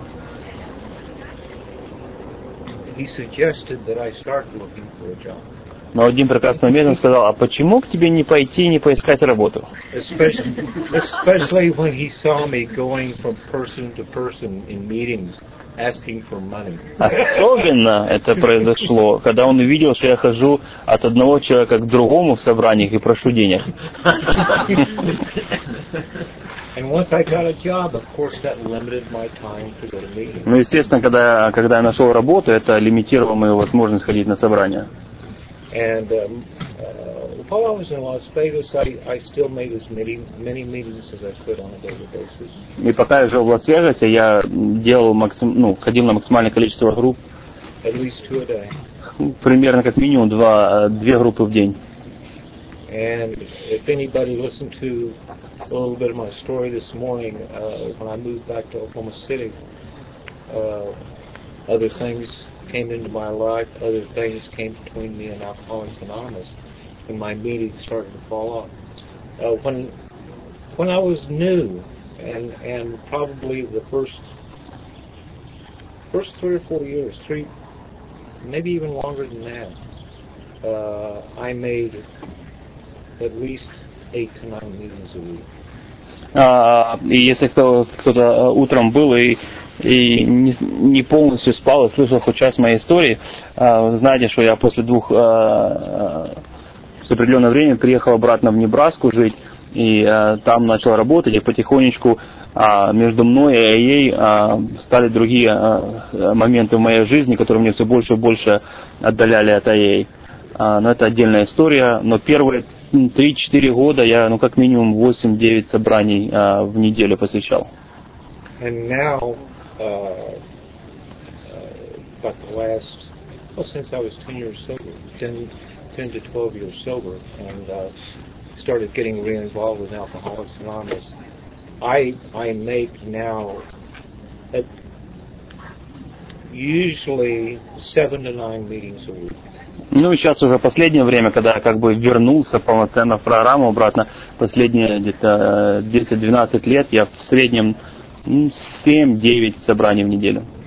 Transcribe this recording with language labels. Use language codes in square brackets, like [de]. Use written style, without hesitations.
[en] Where he suggested that I start looking for a job. [ru] Но один прекрасный момент он сказал, а почему к тебе не пойти и не поискать работу? [en] Especially when he saw me going from person to person in meetings asking for money. [ru] Особенно это произошло, когда он увидел, что я хожу от одного человека к другому в собраниях и прошу денег. [en] And once I got a job, of course, that limited my time to go to meetings. [ru] Ну, естественно, когда я нашел работу, это лимитировало мою возможность ходить на собрания. [en] And while I was in Las Vegas, I still made as many meetings as I could on a daily basis. [ru] И пока я жил в Лас-Вегасе, я ходил на максимальное количество групп. [en] At least 2 a day. [ru] Примерно как минимум 2 группы в день. [en] And if anybody listened to a little bit of my story this morning, when I moved back to Oklahoma City, other things came into my life, other things came between me and Alcoholics Anonymous, and my meetings started to fall off. When I was new, and probably the first 3 or 4 years, maybe even longer than that, I made at least 8 to 9 meetings a week. [ru] И если кто-то утром был и не полностью спал и слышал хоть часть моей истории, знаете, что я после двух с определенного времени приехал обратно в Небраску жить и там начал работать, и потихонечку между мной и ей стали другие моменты в моей жизни, которые мне все больше и больше отдаляли от ей. Но это отдельная история, но первые 3-4 года я, ну, как минимум 8-9 собраний в неделю посещал. [en] And now, about the last, well, since I was 10 years sober, 10 to 12 years sober, and started getting re-involved with Alcoholics Anonymous, I make now usually 7 to 9 meetings a week. [ru] Ну, сейчас уже последнее время, когда я как бы вернулся полноценно в программу обратно, последние где-то 10-12 лет, я в среднем 7-9 собраний в неделю.